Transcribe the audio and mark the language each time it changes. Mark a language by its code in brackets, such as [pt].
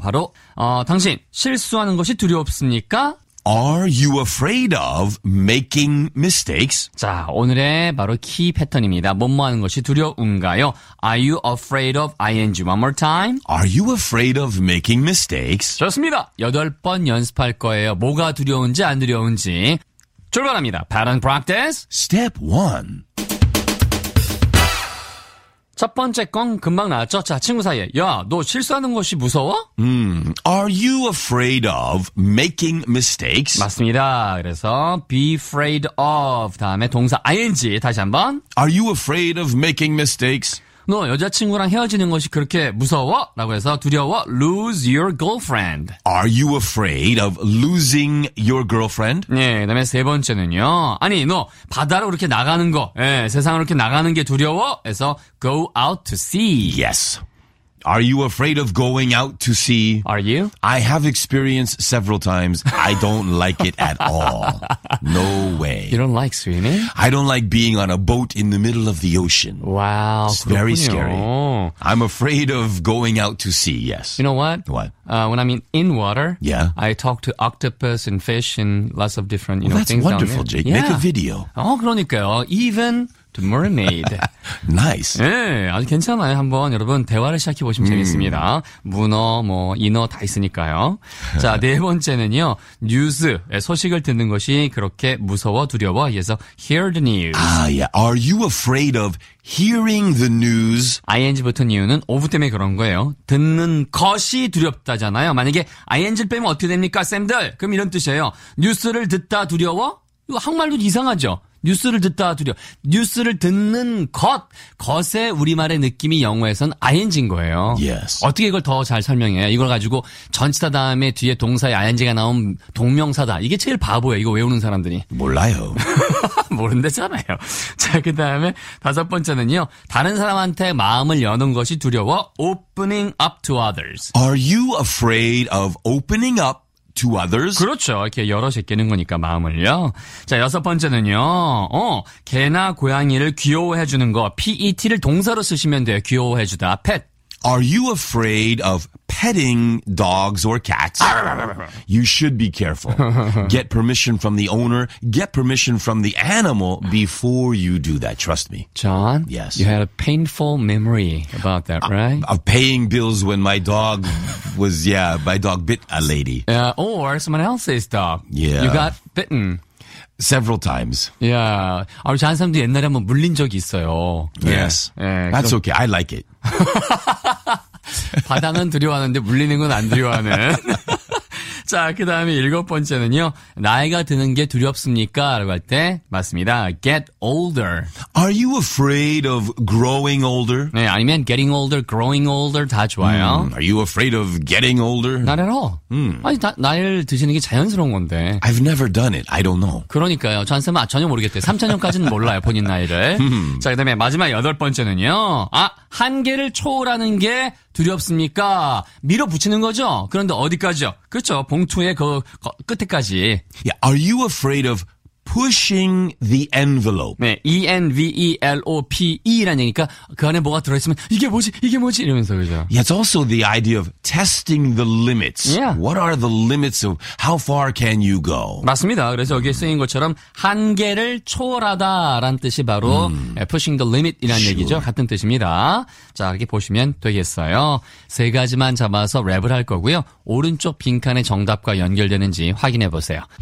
[ko] 바로 당신 실수하는 것이 두려웠습니까? [en] Are you afraid of making mistakes? [ko] 자, 오늘의 바로 키 패턴입니다. 뭐뭐 하는 것이 두려운가요? [en] Are you afraid of ing? One more time. Are you afraid of making mistakes? [ko] 좋습니다. 여덟 번 연습할 거예요. 뭐가 두려운지 안 두려운지. 출발합니다. [en] Pattern practice. Step 1. [ko] 첫 번째 건 금방 나왔죠? 자, 친구 사이에. 야, 너 실수하는 것이 무서워? [en] Are you afraid of making mistakes? [ko] 맞습니다. 그래서 [en] be afraid of [ko] 다음에 동사 ing 다시 한번. [en] Are you afraid of making mistakes? [ko] 너 여자친구랑 헤어지는 것이 그렇게 무서워? 라고 해서 두려워. [en] Lose your girlfriend. Are you afraid of losing your girlfriend? [ko] 네, 그 다음에 세 번째는요. 아니, 너 바다로 이렇게 나가는 거, 예, 세상으로 이렇게 나가는 게 두려워? 해서 [en] go out to sea. Yes. Are you afraid of going out to sea? Are you? I have experienced several times. I don't like it at all. No way. You don't like swimming? I don't like being on a boat in the middle of the ocean. Wow. It's [ko] 그렇군요. [en] Very scary. I'm afraid of going out to sea, yes. You know what? What? When I'm in water, yeah. I talk to octopus and fish and lots of different well, know, things wonderful, down there. That's wonderful, Jake. Yeah. Make a video. [ko] 그러니까요. [en] Even... The mermaid. Nice. [ko] 예, 아주 괜찮아요. 한번 여러분 대화를 시작해 보시면 재밌습니다. 문어, 뭐 인어 다 있으니까요. 자, 네 번째는요. 뉴스 소식을 듣는 것이 그렇게 무서워 두려워. 그래서 [en] hear the news. 아, yeah. Are you afraid of hearing the news? [ko] ing 붙은 이유는 of 때문에 그런 거예요. 듣는 것이 두렵다잖아요. 만약에 ing를 빼면 어떻게 됩니까, 쌤들? 그럼 이런 뜻이에요. 뉴스를 듣다 두려워? 이거 한국말로 이상하죠. 뉴스를 듣다 두려워. 뉴스를 듣는 것. 것의 우리말의 느낌이 영어에선 ing인 거예요. [en] Yes. [ko] 어떻게 이걸 더 잘 설명해요? 이걸 가지고 전치사 다음에 뒤에 동사의 ing가 나온 동명사다. 이게 제일 바보예요. 이거 외우는 사람들이. 몰라요. 모른대잖아요. 자, 그다음에 다섯 번째는요. 다른 사람한테 마음을 여는 것이 두려워. [en] Opening up to others. Are you afraid of opening up? To others. [ko] 그렇죠. 이렇게 여럿이 깨는 거니까 마음을요. 자, 여섯 번째는요. 개나 고양이를 귀여워해 주는 거. PET를 동사로 쓰시면 돼요. 귀여워해 주다. Pet. [en] Are you afraid of petting dogs or cats? You should be careful. Get permission from the owner. Get permission from the animal before you do that. Trust me. John? Yes. You had a painful memory about that, right? Of paying bills when my dog was, yeah, my dog bit a lady. Or someone else's dog. Yeah. You got bitten. Several times. Yeah. [ko] 아니, 저한 사람도 옛날에 한번 물린 적이 있어요. [en] Yes. Yeah. That's okay. I like it. [ko] 바다는 두려워하는데 물리는 건 안 두려워하는. 자, 그 다음에 일곱 번째는요. 나이가 드는 게 두렵습니까? 라고 할 때 맞습니다. [en] Get older. Are you afraid of growing older? [ko] 네, 아니면 [en] getting older, growing older [ko] 다 좋아요. [en] Are you afraid of getting older? Not at all. [ko] 아니, 나이를 드시는 게 자연스러운 건데. [en] I've never done it. I don't know. [ko] 그러니까요. 전쌤, 전혀 모르겠대요. 3000년까지는 몰라요, 본인 나이를. 자, 그 다음에 마지막 여덟 번째는요. 아, 한계를 초월하는 게 두렵습니까? 밀어붙이는 거죠? 그런데 어디까지요? 그렇죠. 봉투의 그 끝에까지. [en] Yeah, are you afraid of pushing the envelope? [ko] 네, envelope라는 얘기니까 그 안에 뭐가 들어있으면 이게 뭐지? 이게 뭐지? 이러면서 그죠. [en] Yeah, it's also the idea of testing the limits. Yeah. What are the limits of how far can you go? [ko] 맞습니다. 그래서 여기 쓰인 것처럼 한계를 초월하다라는 뜻이 바로 [en] pushing the limit [ko] 이라는 sure. 얘기죠. 같은 뜻입니다. 자, 이렇게 보시면 되겠어요. 세 가지만 잡아서 랩을 할 거고요. 오른쪽 빈칸의 정답과 연결되는지 확인해 보세요.